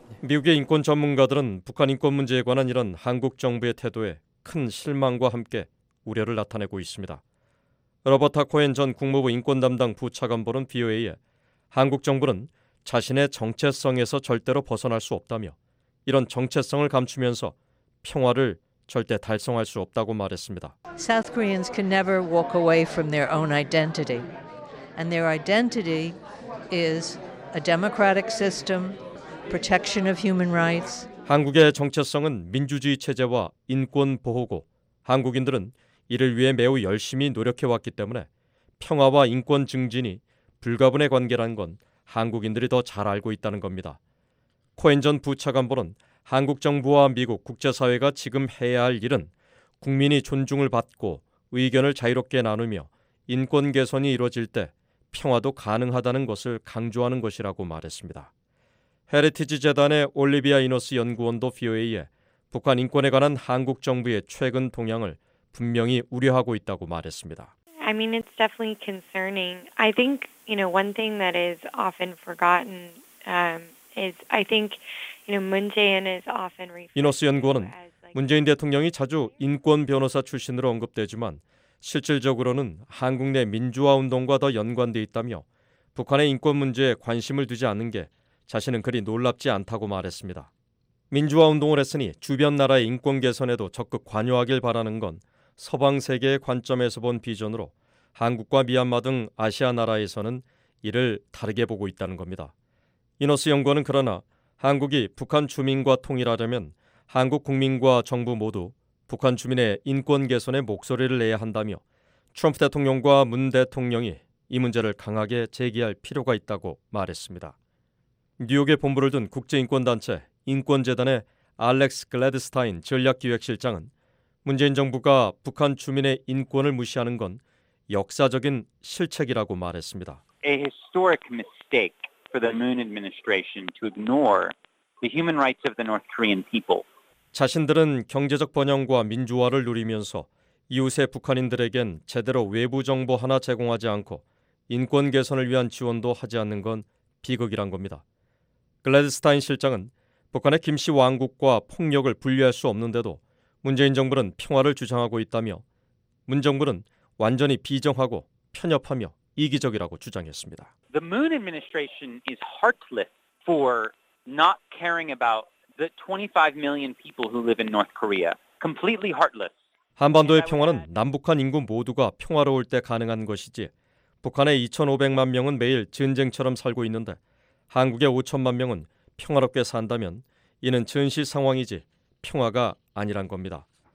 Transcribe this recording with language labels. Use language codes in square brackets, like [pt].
[ko] 미국의 인권 전문가들은 북한 인권 문제에 관한 이런 한국 정부의 태도에 큰 실망과 함께 우려를 나타내고 있습니다. 로버타 코엔 전 국무부 인권 담당 부차관보는 VOA에 한국 정부는 자신의 정체성에서 절대로 벗어날 수 없다며 이런 정체성을 감추면서 평화를 절대 달성할 수 없다고 말했습니다. [en] South Koreans can never walk away from their own identity. And their identity is a democratic system, protection of human rights. [ko] 한국의 정체성은 민주주의 체제와 인권 보호고 한국인들은 이를 위해 매우 열심히 노력해 왔기 때문에 평화와 인권 증진이 불가분의 관계라는 건 한국인들이 더 잘 알고 있다는 겁니다. 코엔 전 부차관보는 한국 정부와 미국 국제사회가 지금 해야 할 일은 국민이 존중을 받고 의견을 자유롭게 나누며 인권 개선이 이루어질 때 평화도 가능하다는 것을 강조하는 것이라고 말했습니다. 헤리티지 재단의 올리비아 이노스 연구원도 VOA에 북한 인권에 관한 한국 정부의 최근 동향을 분명히 우려하고 있다고 말했습니다. [en] I mean, it's definitely concerning. I think, you know, one thing that is often forgotten is, I think, you know, Moon Jae-in is often referred. [ko] 이노스 연구원은 문재인 대통령이 자주 인권 변호사 출신으로 언급되지만 실질적으로는 한국 내 민주화 운동과 더 연관돼 있다며 북한의 인권 문제에 관심을 두지 않는 게 자신은 그리 놀랍지 않다고 말했습니다. 민주화 운동을 했으니 주변 나라의 인권 개선에도 적극 관여하길 바라는 건 서방 세계의 관점에서 본 비전으로 한국과 미얀마 등 아시아 나라에서는 이를 다르게 보고 있다는 겁니다. 이노스 연구원은 그러나 한국이 북한 주민과 통일하려면 한국 국민과 정부 모두 북한 주민의 인권 개선에 목소리를 내야 한다며 트럼프 대통령과 문 대통령이 이 문제를 강하게 제기할 필요가 있다고 말했습니다. 뉴욕에 본부를 둔 국제인권단체 인권재단의 알렉스 글래드스타인 전략기획실장은 문재인 정부가 북한 주민의 인권을 무시하는 건 역사적인 실책이라고 말했습니다. [en] A historic mistake for the Moon administration to ignore the human rights of the North Korean people. [ko] 자신들은 경제적 번영과 민주화를 누리면서 이웃의 북한인들에겐 제대로 외부 정보 하나 제공하지 않고 인권 개선을 위한 지원도 하지 않는 건 비극이란 겁니다. 글래드스타인 실장은 북한의 김씨 왕국과 폭력을 분리할 수 없는데도 문재인 정부는 평화를 주장하고 있다며 문 정부는 완전히 비정하고 편협하며 이기적이라고 주장했습니다. [en] The Moon administration is heartless for not caring about the 25 million people who live in North Korea. Completely heartless. [ko] 한반도의 평화는 남북한 인구 모두가 평화로울 때 가능한 것이지 북한의 2,500만 명은 매일 전쟁처럼 살고 있는데 한국의 5천만 명은 평화롭게 산다면 이는 전시 상황이지 평화가 아니란 겁니다.